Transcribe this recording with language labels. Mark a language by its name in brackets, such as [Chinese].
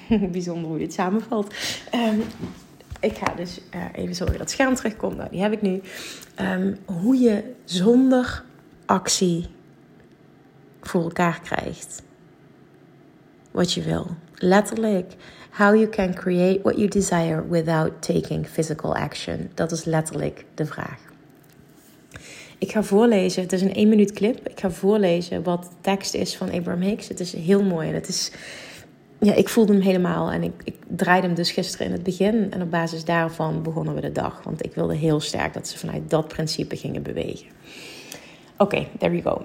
[Dutch] Bijzonder hoe je het samenvalt. Ik ga dus even zorgen dat het scherm terugkomt. Nou, die heb ik nu. Hoe je zonder actie voor elkaar krijgt wat je wil. Letterlijk. [English] How you can create what you desire without taking physical action. [Dutch] Dat is letterlijk de vraag. Ik ga voorlezen. Het is een 1-minuut clip. Ik ga voorlezen wat de tekst is van Abraham Hicks. Het is heel mooi en het is... Ja, ik voelde hem helemaal en ik draaide hem dus gisteren in het begin. En op basis daarvan begonnen we de dag. Want ik wilde heel sterk dat ze vanuit dat principe gingen bewegen. Oké, [English] there we go.